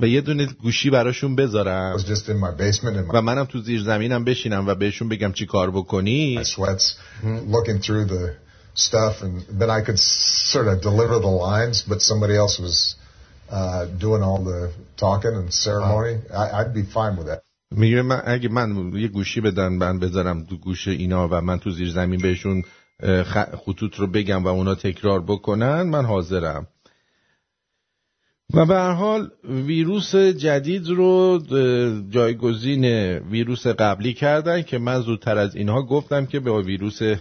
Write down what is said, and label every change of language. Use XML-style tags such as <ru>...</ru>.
<fa>به یه دونه گوشی براشون بذارم.</fa> <en>I was just in my basement</en> <fa>و منم تو زیر زمینم بشینم و بهشون بگم چی کار بکنی.</fa> <en>I sweat looking through the stuff and then I could sort of deliver the lines but somebody else was doing all the talking and ceremony. I'd be fine with that.</en> <fa>میگم اگه من یه گوشی بدن من بذارم تو گوش اینا و من تو زیر زمین بهشون خطوط رو بگم و اونا تکرار بکنن، من حاضرم. و به هر حال ویروس جدید رو جایگزین ویروس قبلی کردن که من زودتر از اینها گفتم که به ویروس</fa>